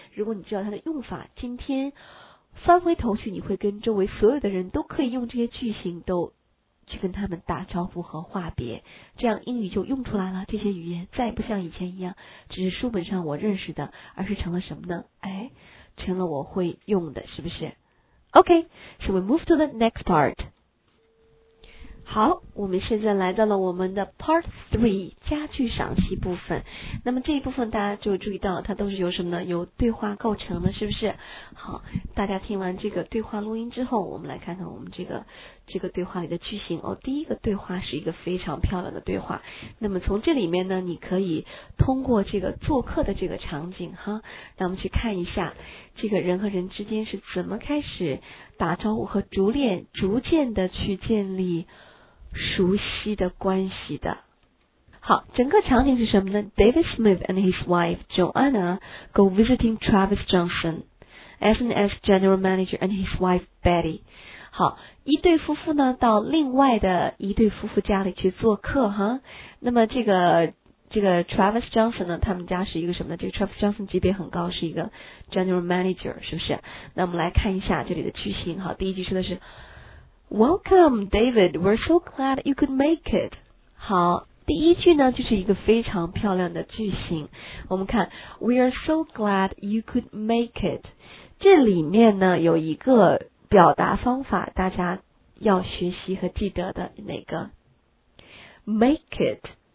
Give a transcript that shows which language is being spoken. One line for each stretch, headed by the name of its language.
Chinese: 如果你知道它的用法，今天翻回头去，你会跟周围所有的人都可以用这些句型都去跟他们打招呼和话别，这样英语就用出来了。这些语言再不像以前一样只是书本上我认识的，而是成了什么呢？哎，成了我会用的，是不是？
English: OK, so we move to the next part.
Chinese: 好，我们现在来到了我们的 part 3, 家具赏析部分。那么这一部分大家就注意到它都是由什么呢？由对话构成的，是不是？好，大家听完这个对话录音之后，我们来看看我们这个对话里的句型哦。第一个对话是一个非常漂亮的对话，那么从这里面呢，你可以通过这个做客的这个场景哈，那我们去看一下这个人和人之间是怎么开始打招呼和逐渐的去建立熟悉的关系的。好，整个场景是什么呢？
English: David Smith and his wife Joanna go visiting Travis Johnson, S&S General Manager, and his wife Betty.
Chinese: 好，一对夫妇呢到另外的一对夫妇家里去做客哈。那么这个 Travis Johnson 呢，他们家是一个什么呢？这个 Travis Johnson 级别很高，是一个 General Manager, 是不是？那我们来看一下这里的句型。好，第一句说的是
English: Welcome David, we're so glad you could make it.
Chinese: 好，第一句呢就是一个非常漂亮的句型。我们看
English: We are so glad you could make it,
Chinese: 这里面呢有一个表达方法大家要学习和记得的，哪个？
English: Make it。